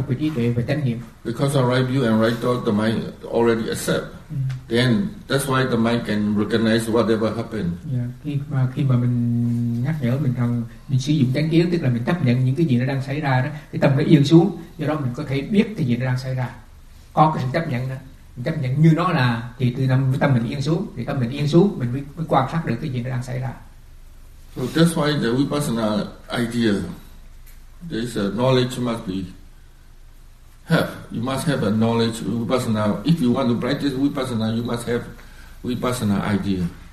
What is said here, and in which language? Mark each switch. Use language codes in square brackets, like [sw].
[en] Because our right view and right thought, the mind already accept. Mm. Then that's why the mind can recognize whatever happened. Yeah. [vi] Khi mà mình nhắc nhở mình rằng mình sử dụng chánh kiến, tức là mình chấp nhận những cái gì nó đang xảy ra đó, cái tâm nó yên xuống, do đó mình có thể biết cái gì nó đang xảy ra. Có cái sự chấp nhận đó, mình chấp nhận như nó là, thì từ tâm tâm mình yên xuống, thì tâm mình yên xuống, mình mới quan sát được cái gì nó đang xảy ra. [en] So that's why the vipassana idea. There is a knowledge you must be have. You must have a knowledge vipassana. If you want to practice vipassana, you must have vipassana idea.